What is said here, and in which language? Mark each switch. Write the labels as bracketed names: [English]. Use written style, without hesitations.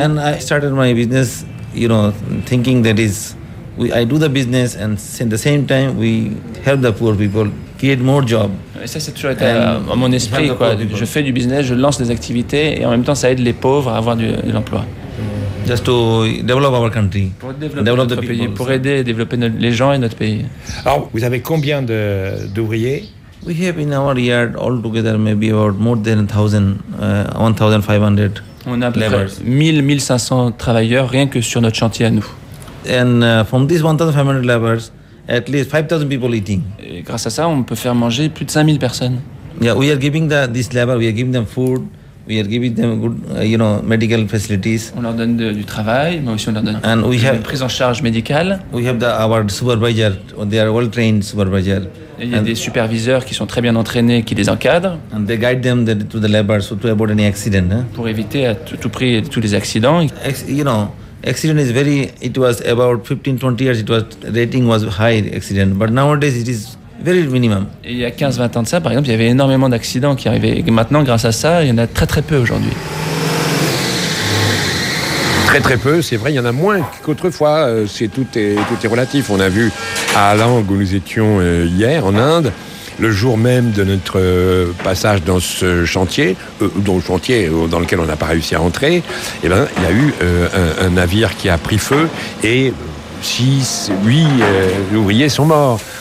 [English] And I started my business, you know, thinking that is, I do the business and at the same time we help the poor people. More job. [French] Et ça, c'est toujours été à mon esprit. Quoi. Je fais du business, je lance des activités et en même temps, ça aide les pauvres à avoir de l'emploi. [English] Just to develop our country. [French] Pour aider et développer les gens et notre pays. Alors, vous avez combien d'ouvriers? [English] We have in our yard all together maybe about more than 1,500. [French] On a à peu près 1,500 travailleurs rien que sur notre chantier à nous. [English] And from these 1,500 laborers, at least 5,000 people eating. [French] Et grâce à ça, on peut faire manger plus de 5,000 personnes. [English] Yeah, we are giving this labor, we are giving them food, we are giving them good, you know, medical facilities. [French] On leur donne du travail, mais aussi on leur donne une prise en charge médicale. [English] We have our supervisor, they are well trained supervisor. [French] Il y a des superviseurs qui sont très bien entraînés, qui les encadrent. [English] And they guide them to the labor, so to avoid any accident. [French] Pour éviter à tout prix tous les accidents. [English] Accident is very, it was about 15-20 years, it was, rating was high accident, but nowadays it is very minimum. [French] Et il y a 15-20 ans de ça, par exemple, il y avait énormément d'accidents qui arrivaient. Et maintenant, grâce à ça, il y en a très très peu aujourd'hui. Très très peu, c'est vrai, il y en a moins qu'autrefois, c'est tout est relatif. On a vu à Alang, où nous étions hier, en Inde, le jour même de notre passage dans ce chantier, dans lequel on n'a pas réussi à entrer, eh ben, il y a eu un navire qui a pris feu et 6-8 ouvriers sont morts.